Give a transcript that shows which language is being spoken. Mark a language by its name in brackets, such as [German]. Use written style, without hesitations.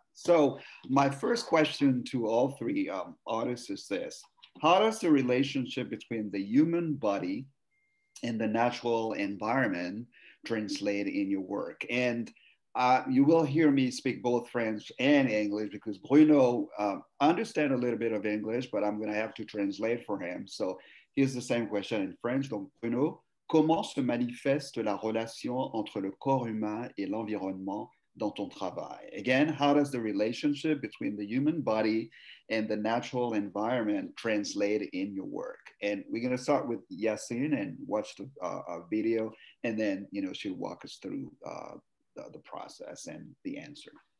[English] So my first question to all three artists is this: how does the relationship between the human body and the natural environment translate in your work? And you will hear me speak both French and English, because Bruno understand a little bit of English, but I'm going to have to translate for him. So here's the same question in French. [French] Donc, Bruno, comment se manifeste la relation entre le corps humain et l'environnement dans ton travail? [English] Again, how does the relationship between the human body and the natural environment translate in your work? And we're going to start with Yacine and watch the video, and then, you know, she'll walk us through the process and the answer.